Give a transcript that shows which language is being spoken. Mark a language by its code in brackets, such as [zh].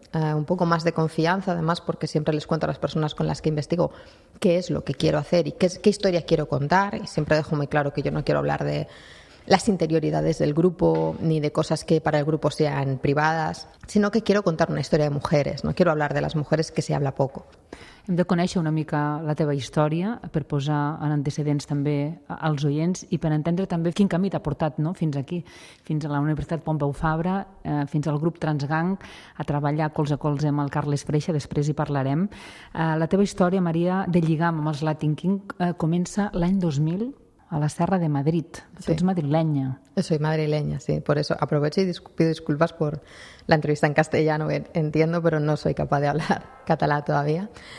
[es] Un poco más de confianza, además, porque siempre les cuento a las personas con las que investigo qué es lo que quiero hacer y qué historia quiero contar. Y siempre dejo muy claro que yo no quiero hablar de las interioridades del grupo ni de cosas que para el grupo sean privadas, sino que quiero contar una historia de mujeres, no quiero hablar de las mujeres, que se habla poco. [ca] Hem de conèixer una mica la teva història per posar en antecedents també als oients i per entendre també quin camí t'ha portat, no?, fins aquí, fins a la Universitat Pompeu Fabra, fins al grup Transgang, a treballar colze a colze amb el Carles Freixa, després hi parlarem. La teva història, Maria, de lligam amb els Latin King comença l'any 2000 a la Serra de Madrid. Sí. Tu ets madrilenya. [es] Soy madrileña, sí. Por eso aprovecho y pido disculpas por la entrevista en castellano, entiendo, pero no soy capaz de hablar catalá todavía.